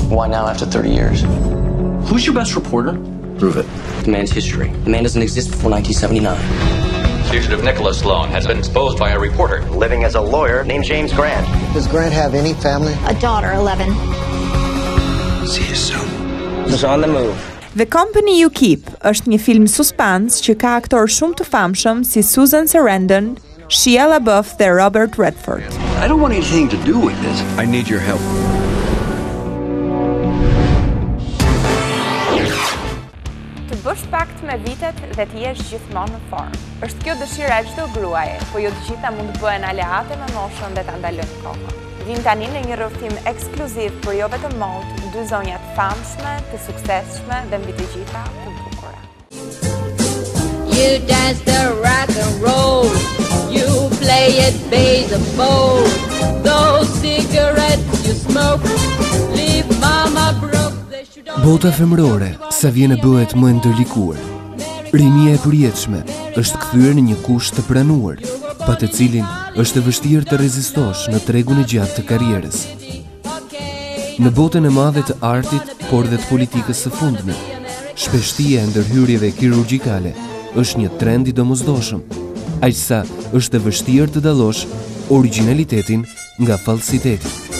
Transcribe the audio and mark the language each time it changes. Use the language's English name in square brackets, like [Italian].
[English] Why now after 30 years? Who's your best reporter? Prove it. The man's history. The man doesn't exist before 1979. Fugitive Nicholas Sloan has been exposed by a reporter living as a lawyer named James Grant. Does Grant have any family? A daughter, 11. See you soon. He's on the move. [Albanian] The Company You Keep është një film suspans që ka aktor shumë të famshëm si Susan Sarandon, Shia LaBeouf dhe Robert Redford. [English] I don't want anything to do with this. I need your help. [Albanian] Bësh pakt me vitet dhe ti jesh gjithmonë në formë. Është kjo dëshira e çdo gruaje, po jo të gjitha mund të bëhen aleate me moshën dhe ta ndalojnë kohën. Vim tani në një rrëfim ekskluziv për Jo Vetëm Mod, dy zonjat famshme, të suksesshme dhe mbi të gjitha të bukura. [English] You dance the rock and roll, you play it bass and bold. Those cigarettes you smoke, leave mama broke. [Albanian] Bota femërore, sa vjen e bëhet më ndërlikuar. Rinia e përjetshme, është kthyer në një kusht të pranuar, pa të cilin është e vështirë të rezistosh në tregun e gjatë të karrierës. Në botën e madhe të artit, por dhe të politikës së fundme, shpeshtia e ndërhyrjeve kirurgjikale është një trend i domosdoshëm, aqësa është e vështirë të dallosh originalitetin nga falsiteti.